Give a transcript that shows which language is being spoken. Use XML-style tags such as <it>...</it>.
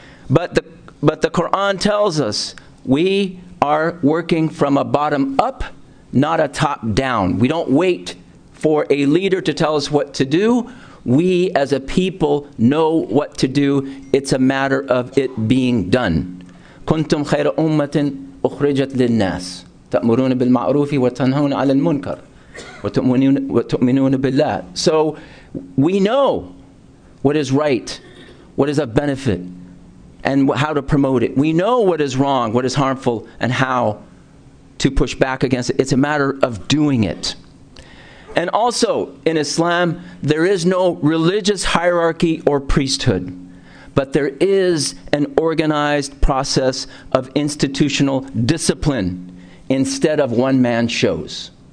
<en>But the Quran tells us we are working from a bottom up, not a top down. We don't wait for a leader to tell us what to do. We as a people know what to do. It's a matter of it being done.</en> <ar>كنتم خير أمة أخرجت للناس تأمرون بالمعروف وتنهون على المنكر وتؤمنون بالله.</ar> <en>So we know what is right, what is of benefit, and how to promote it. We know what is wrong, what is harmful, and how to push back against it. It's a matter of doing it. And also, in Islam, there is no religious hierarchy or priesthood, but there is an organized process of institutional discipline instead of one-man shows.</en>